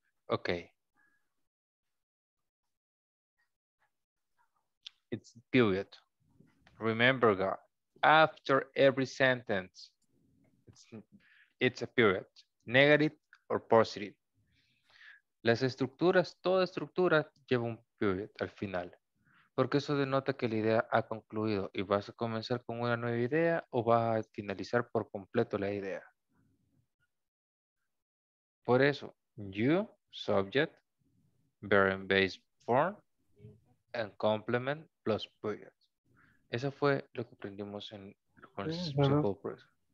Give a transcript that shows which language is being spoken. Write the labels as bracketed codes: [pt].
[en] Okay. It's period. Remember, God, after every sentence, it's a period, negative or positive. [es] Las estructuras, toda estructura lleva un period al final, porque eso denota que la idea ha concluido y vas a comenzar con una nueva idea o vas a finalizar por completo la idea. Por eso, [en] you, subject, verb and base form, and complement plus period. [es] Eso fue lo que aprendimos en con el simple process.